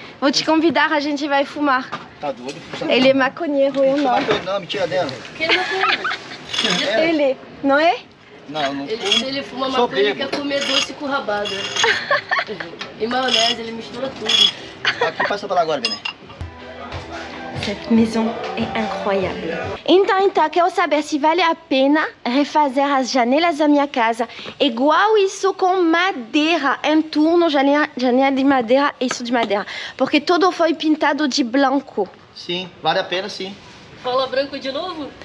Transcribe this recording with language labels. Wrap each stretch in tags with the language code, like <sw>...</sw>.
<pt>Vou te convidar, a gente vai fumar. Tá doido? Ele é maconheiro, eu não. Não, me tira dela. Quem é maconheiro? Ele, não é? Não, não ele, se ele fuma maconha, ele quer comer doce com rabada. E maionese, ele mistura tudo. Aqui, passa pra lá agora, Bené.</pt> <fr>Cette maison est incroyable.</fr> <pt>Então, quero saber se vale a pena refazer as janelas da minha casa igual isso com madeira em torno, janela de madeira, isso de madeira. Porque tudo foi pintado de branco. Sim, vale a pena, sim. Fala branco de novo?</pt>